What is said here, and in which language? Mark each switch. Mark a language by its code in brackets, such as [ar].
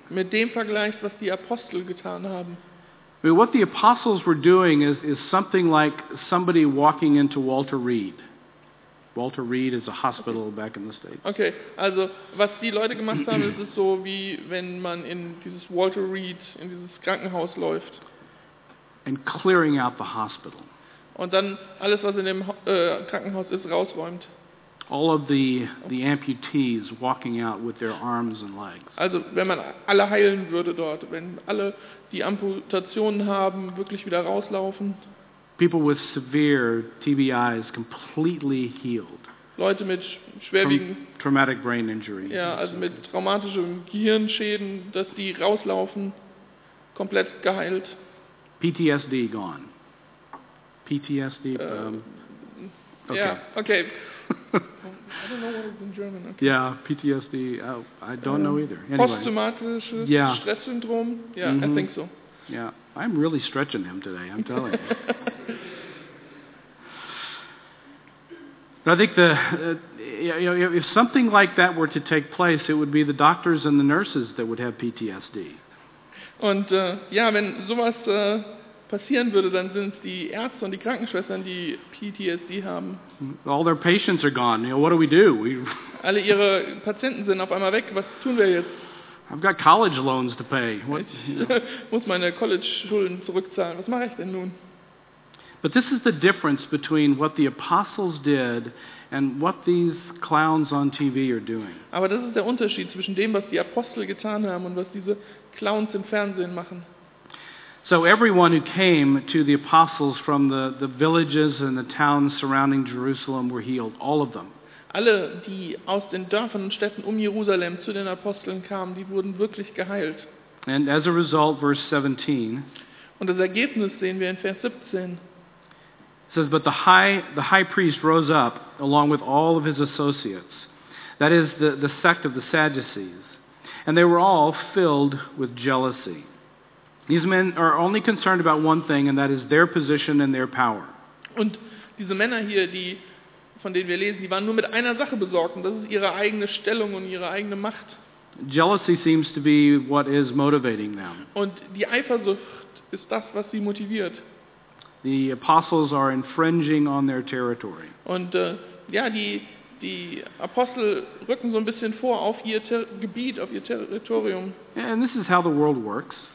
[de] Mit dem vergleicht, was die Apostel getan haben. [en] I mean, what the apostles were doing is something like somebody walking into Walter Reed. Walter Reed is a hospital back in the States. [de] Okay, also was die Leute gemacht haben, ist es so, wie wenn man in dieses Walter Reed, in dieses Krankenhaus läuft. [en] And clearing out the hospital. [de] Und dann alles, was in dem Krankenhaus ist, rausräumt. [en] All of the amputees walking out with their arms and legs. [de] Also, wenn man alle heilen würde dort, wenn alle die Amputationen haben, wirklich wieder rauslaufen. [en] People with severe TBIs completely healed. [de] Leute mit schwerwiegenden [en] traumatic brain injury. [de] Ja, also mit traumatischen Gehirnschäden, dass die rauslaufen, komplett geheilt. [en] PTSD gone. PTSD. Okay. I don't know what it's in German. Okay. Yeah, PTSD. I don't know either. Anyway. [de] Posttraumatisches Stresssyndrom. [en] Yeah, mm-hmm. I think so. Yeah, I'm really stretching him today, I'm telling you. I think if something like that were to take place, it would be the doctors and the nurses that would have PTSD. [de] Und wenn sowas passieren würde, dann sind es die Ärzte und die Krankenschwestern, die PTSD haben. [en] All their patients are gone. You know, what do we do? [de] Alle ihre Patienten sind auf einmal weg. Was tun wir jetzt? [en] I've got college loans to pay. [de] Muss meine College-Schulden zurückzahlen. Was mache ich denn nun? [en] But this is the difference between what the apostles did and what these clowns on TV are doing. [de] Aber das ist der Unterschied zwischen dem, was die Apostel getan haben und was diese Clowns im Fernsehen machen. [en] So everyone who came to the apostles from the villages and the towns surrounding Jerusalem were healed, all of them. [de] Alle, die aus den Dörfern und Städten um Jerusalem zu den Aposteln kamen, die wurden wirklich geheilt. [en] And as a result, verse 17. [de] Und das Ergebnis sehen wir in Vers 17. [en] It says, but the high priest rose up along with all of his associates, that is the sect of the Sadducees, and they were all filled with jealousy. These men are only concerned about one thing, and that is their position and their power. [de] Und diese Männer hier, die von denen wir lesen, die waren nur mit einer Sache besorgt, und das ist ihre eigene Stellung und ihre eigene Macht. [en] Jealousy seems to be what is motivating them. [de] Und die Eifersucht ist das, was sie motiviert. [en] The apostles are infringing on their territory. [de] Und die Apostel rücken so ein bisschen vor auf ihr Gebiet, auf ihr Territorium. [en] And this is how the world works.